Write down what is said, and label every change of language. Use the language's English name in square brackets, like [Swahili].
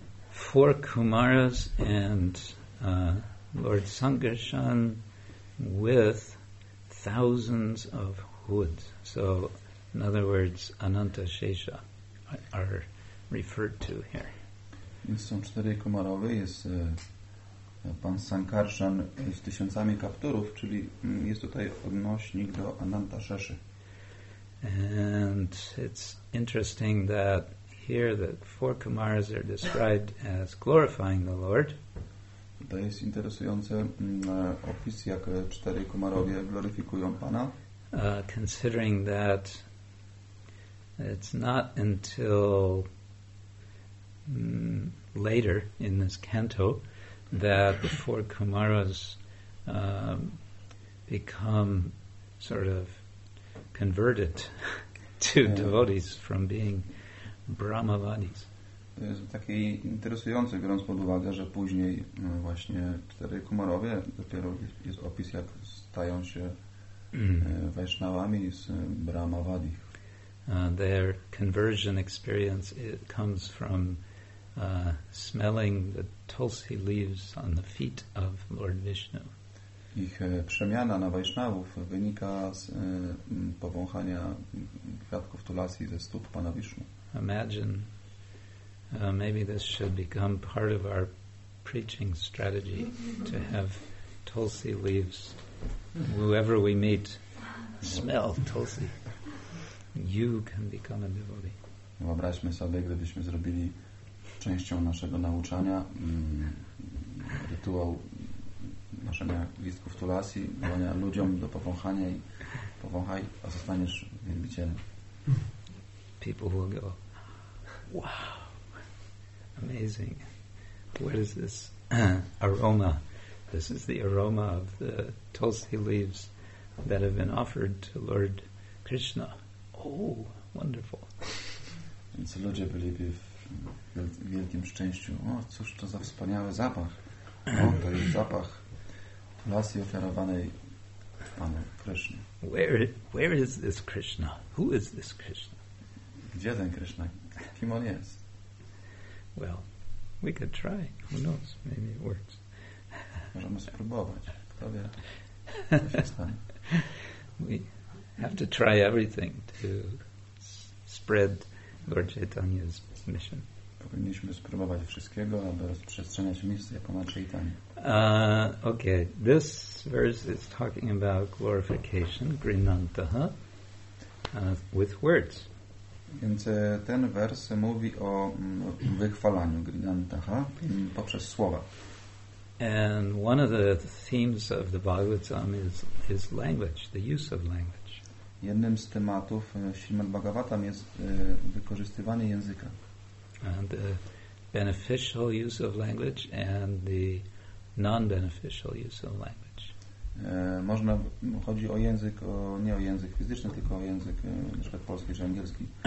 [English] four Kumaras and Lord Sankarshan with thousands of hoods. So, in other words, Ananta Shesha are referred to here. [Polish] Są cztery Kumarowy, jest Pan Sankarshan z tysiącami kapturów, czyli jest tutaj odnośnik do Ananta Sheshy. [English] And it's interesting that here the four Kumaras are described as glorifying the Lord. [Polish] To jest interesujące opis, jak cztery Kumarowie gloryfikują Pana. [English] Considering that it's not until later in this canto that the four Kumaras become sort of converted to devotees from being Brahmavadis. [Polish] To jest takie interesujące, biorąc pod uwagę, że później właśnie cztery Kumarowie, dopiero jest opis, jak stają się Vaishnavami z Brahmavadi. [English] Their conversion experience, it comes from smelling the tulsi leaves on the feet of Lord Vishnu. [Polish] Ich przemiana na Vaishnavów wynika z powąchania kwiatków tulasi ze stóp Pana Vishnu. [English] Imagine, maybe this should become part of our preaching strategy, to have tulsi leaves, whoever we meet, smell tulsi. You can become a devotee. [Polish] Wyobraźmy sobie, gdybyśmy zrobili częścią naszego nauczania rytuał noszenia listków tulasi, dawania ludziom do powąchania i powąchaj, a zostaniesz wielbicielem. [English] People will go, wow, amazing. What is this aroma? This is the aroma of the tulsi leaves that have been offered to Lord Krishna. Oh, wonderful. [Polish] Więc ludzie byliby w wielkim szczęściu. O, cóż to za wspaniały zapach. O, to jest zapach tulasi ofiarowanej Panu Krishna. [English] Where is this Krishna? Who is this Krishna? [Polish] Gdzie ten Krishna? Kim on jest? [English] Well, we could try. Who knows? Maybe it works. [Polish] Możemy spróbować. Kto wie? [English] We have to try everything to spread Lord Chaitanya's mission. [Polish] Powinniśmy spróbować wszystkiego, aby rozprzestrzeniać misję Pana Chaitanya. [English] Okay, this verse is talking about glorification, grinantaha, with words. [Polish] Więc ten wers mówi o wychwalaniu, grinantaha, poprzez słowa. [English] And one of the themes of the Bhagavatam is language, the use of language. [Polish] Jednym z tematów Śrimad Bhagavatam jest wykorzystywanie języka. [English] And the beneficial use of language and the non-beneficial use of language. [Polish] Można, chodzi o język, nie o język fizyczny, tylko o język na przykład polski czy angielski.